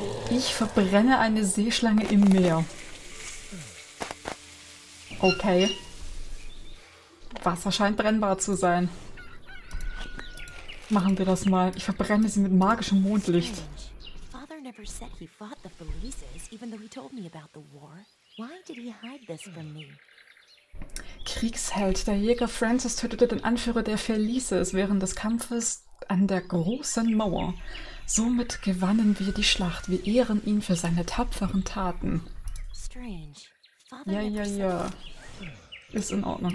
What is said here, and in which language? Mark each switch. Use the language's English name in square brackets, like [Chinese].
[German] Ich verbrenne eine Seeschlange im Meer. Okay. Wasser scheint brennbar zu sein. Machen wir das mal. Ich verbrenne sie mit magischem Mondlicht. [English] Never said he fought the Felices, even though he told me about the war. Why did he hide this from me? [German] Kriegsheld, der Jäger Francis tötete den Anführer der Felices während des Kampfes an der großen Mauer. Somit gewannen wir die Schlacht. Wir ehren ihn für seine tapferen Taten. Strange. Ja. Ist in Ordnung.